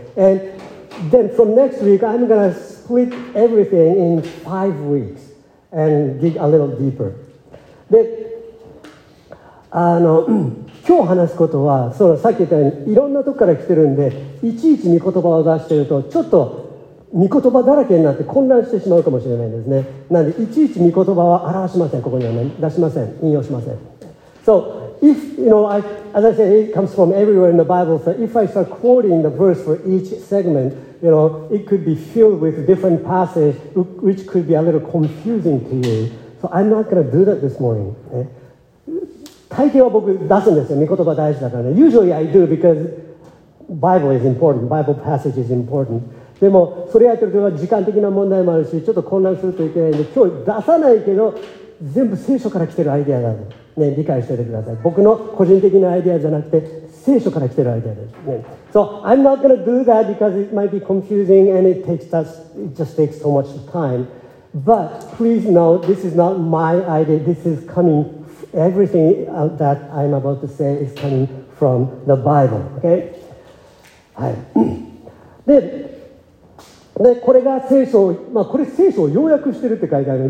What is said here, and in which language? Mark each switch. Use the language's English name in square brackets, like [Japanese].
[English] And then from next week, I'm going to split everything in 5 weeks. And dig a little deeper. [Japanese] で、今日話すことは、そのさっき言ったように、いろんなとこから来てるんで、いちいち御言葉を出してると、ちょっと御言葉だらけになって混乱してしまうかもしれないですね。なんで、いちいち御言葉は表しません。ここには出しません。引用しません。 [English] So, if, you know, I, as I said, it comes from everywhere in the Bible, so if I start quoting the verse for each segment,You know, it could be filled with different passages, which could be a little confusing to you. So I'm not going to do that this morning.、ね、 [Japanese] 大抵は僕出すんですよ。御言葉大事だからね。 [English] Usually I do because Bible is important. Bible passage is important. [Japanese] でもそれやってるときは時間的な問題もあるし、ちょっと混乱するといけないんで、今日出さないけど、全部聖書から来てるアイデアだと、ね、理解しててください。僕の個人的なアイデアじゃなくて、聖書から来てるアイデアです、ね、 [English] So I'm not going to do that because it might be confusing and it just takes so much time. But please know this is not my idea. This is coming, everything that I'm about to say is coming from the Bible. Okay? はい。 [Japanese] で、これが聖書、まあ、これ聖書を要約してるって書いてある。